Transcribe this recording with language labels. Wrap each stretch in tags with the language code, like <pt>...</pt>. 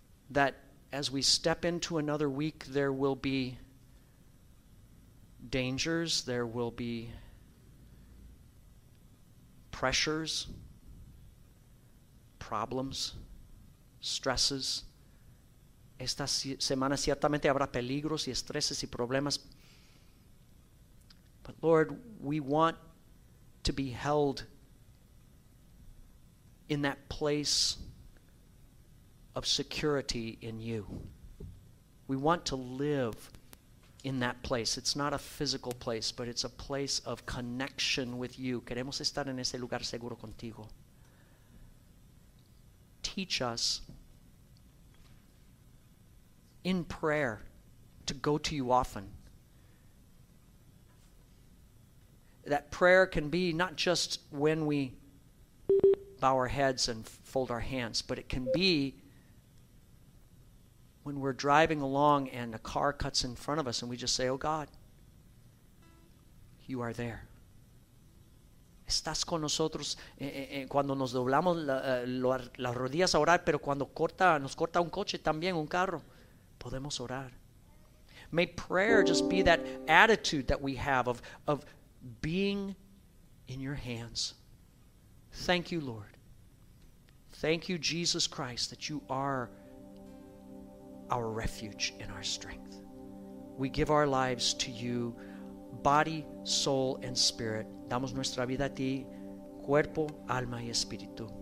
<en>That as we step into another week, there will be dangers, there will be pressures, problems, stresses.</en> <es>Esta semana ciertamente habrá peligros y estreses y problemas.</es> <en>But Lord, we want to be held in that place of security in you. We want to live in that place. It's not a physical place, but it's a place of connection with you.</en> <es>Queremos estar en ese lugar seguro contigo.</es> <en>Teach us in prayer to go to you often. That prayer can be not just when we bow our heads and fold our hands, but it can be when we're driving along and a car cuts in front of us and we just say, oh God, you are there.</en> <es>Estás con nosotros cuando nos doblamos las rodillas a orar, pero cuando nos corta un coche también, un carro, podemos orar.</es> <en>May prayer just be that attitude that we have of being in your hands. Thank you, Lord. Thank you, Jesus Christ, that you are our refuge and our strength. We give our lives to you, body, soul, and spirit.</en> <es>Damos nuestra vida a ti, cuerpo, alma, y espíritu.</es>